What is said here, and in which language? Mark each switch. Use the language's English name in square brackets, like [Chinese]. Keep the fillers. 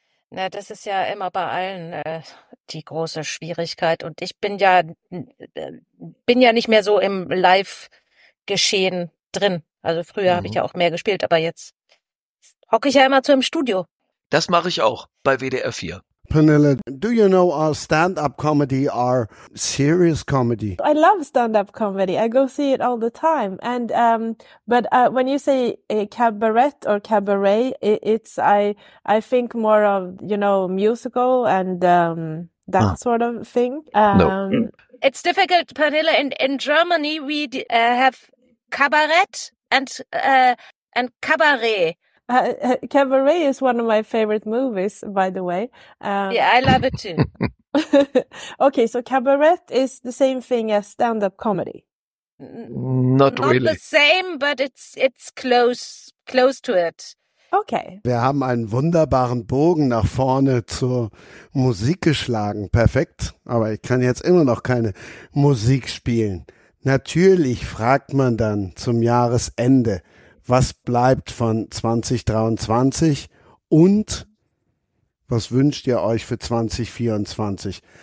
[German] Na, ja, das ist ja immer bei allen äh, die große Schwierigkeit. Und ich bin ja bin ja nicht mehr so im Live-Geschehen drin. Also früher mhm. habe ich ja auch mehr gespielt, aber jetzt hocke ich ja immer zu so im Studio. Das mache ich auch bei WDR 4. [English] Panilla, do you know our stand up comedy or serious comedy? I love stand up comedy. I go see it all the time. And um, but uh, when you say cabaret or cabaret, it, it's I I think more of you know musical and um, that ah. sort of thing. no. Um, it's difficult, Panilla. In in Germany, we uh, have cabaret and uh, and cabaret. Uh, cabaret is one of my favorite movies, by the way. Uh, yeah, I love it too. okay, so cabaret is the same thing as stand-up comedy. Not, Not really. Not the same, but it's it's close close to it. Okay. [German] Wir haben einen wunderbaren Bogen nach vorne zur Musik geschlagen. Perfekt. Aber ich kann jetzt immer noch keine Musik spielen. Natürlich fragt man dann zum Jahresende was bleibt von 2023 und was wünscht ihr euch für 2024?